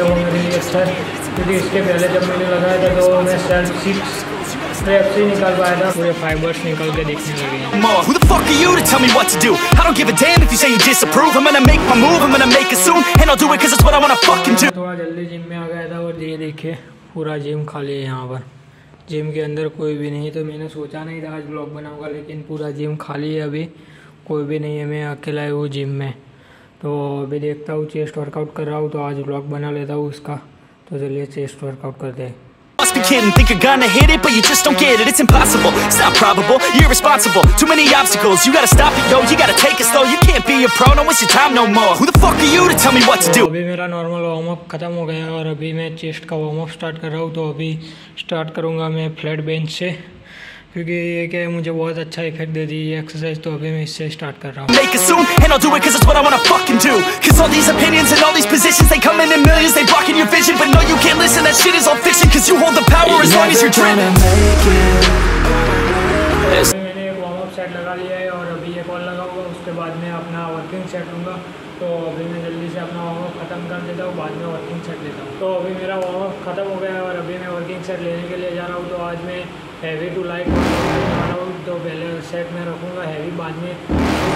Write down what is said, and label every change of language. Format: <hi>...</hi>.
<en>it. Who the fuck are you to tell me what to do? I don't give a damn if you say you disapprove. I'm gonna make my move, I'm gonna make it soon. And I'll do it cause it's what I wanna fucking do.</en> <hi>पूरा gym खाली है यहाँ पर, gym के अंदर कोई भी नहीं, तो मैंने सोचा नहीं था आज ब्लॉग बनाऊंगा, लेकिन पूरा जिम खाली है अभी, कोई भी नहीं है, मैं अकेला हूँ जिम में। तो अभी देखता हूँ, चेस्ट वर्कआउट कर रहा हूँ, तो आज ब्लॉग बना लेता हूँ उसका। तो चलिए चेस्ट वर्कआउट करते हैं।</hi> <en>Must be kidding, think you're gonna hit it, but you just don't get it. It's impossible, it's not probable, you're irresponsible. Too many obstacles, you gotta stop it, yo. You gotta take it slow, you can't be a pro. No, it's your time no more. Who the fuck are you to tell me what to do?</en> <hi>अभी मेरा normal warm up खत्म हो गया और अभी मैं chest का warm up start कर रहा हूँ, तो अभी start करूँगा मैं flat bench से, क्योंकि ये क्या है, मुझे बहुत अच्छा इफेक्ट दे दी ये एक्सरसाइज, तो अभी मैं इससे स्टार्ट कर रहा हूं।</hi> <en>Make it soon and I'll do it cause it's what I wanna fucking do. Cause all these opinions and all these positions, they come in millions, they blocking your vision. But no, you can't listen, that shit is all fiction. Cause you hold the power as long as you're dreaming.</en> <hi>मैंने एक warm up set लगा लिया है और अभी एक और लगाऊंगा, उसके बाद में अपना वर्किंग सेट लूंगा। तो अभी मैं जल्दी से अपना वार्म अप खत्म कर देता हूँ, बाद में वर्किंग सेट लेता हूँ। तो अभी मेरा वार्म अप खत्म हो गया है और अभी मैं वर्किंग सेट लेने के लिए जा रहा हूँ। तो आज मैं हैवी टू लाइट बना रहा हूँ, तो पहले सेट में रखूँगा हैवी, बाद में</hi>